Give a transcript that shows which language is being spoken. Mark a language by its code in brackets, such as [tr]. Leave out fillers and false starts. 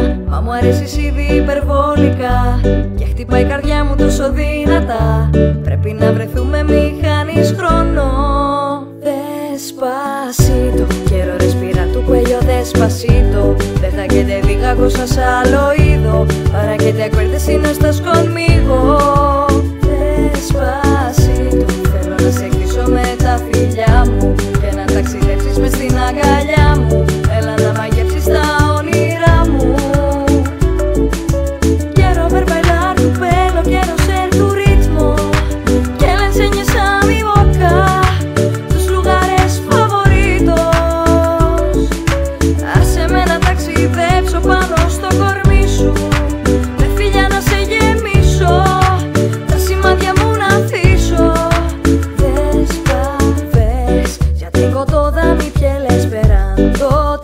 [el] Μα μου αρέσεις ήδη υπερβολικά. Και χτυπάει η καρδιά μου τόσο δυνατά. Πρέπει να βρεθούμε, μη χάνεις χρόνο. [es] Despacito, quiero respirar tu cuello despacito. Deja que te diga cosas al oído, para que te acuerdes si no estás conmigo. Despacito, quiero [el] να σε κλείσω με τα φιλιά μου. Και να ταξιδέψεις μες στην αγκαλιά μου. Έλα να μαγεύσεις τα όνειρά μου. [es] Quiero ver bailar tu pelo, quiero ser tu ritmo. Que le enseñes a mi boca tus lugares favoritos. Hace me [el] να ταξιδέψω πάνω στο κορμί σου. Με φιλιά να σε γεμίσω. Τα σημάδια μου να αφήσω. Δεσπαθές, γιατί κοτώ δάμι πιέλες περάντο.